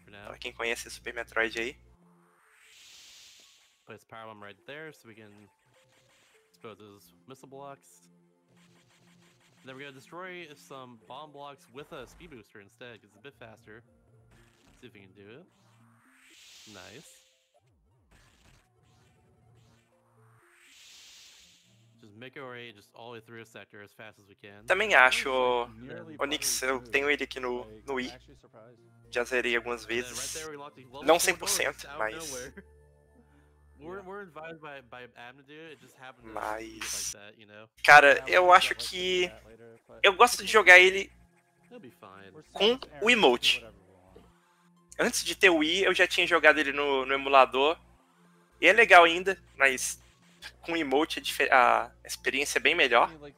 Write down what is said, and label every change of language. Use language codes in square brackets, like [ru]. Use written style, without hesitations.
[pt] Para quem conhece Super Metroid aí. [en] Put his power bomb right there so we can explode those missile blocks. Then we're gonna destroy some bomb blocks with a speed booster instead, because it's a bit faster. Let's see if we can do it. Nice. Just make our way just all the way through a sector as fast as we can. [pt] Também acho, Onyx, eu tenho ele aqui no Wii. Já zerei algumas vezes. Não 100%, mas... [en] We're advised by Abnadu, it just happened to [pt] mas... [en] like that, you know? [pt] Cara, eu acho que... Eu gosto de jogar ele com o emote. Antes de ter o Wii, eu já tinha jogado ele no emulador. E é legal ainda, mas com o emote a experiência é bem melhor.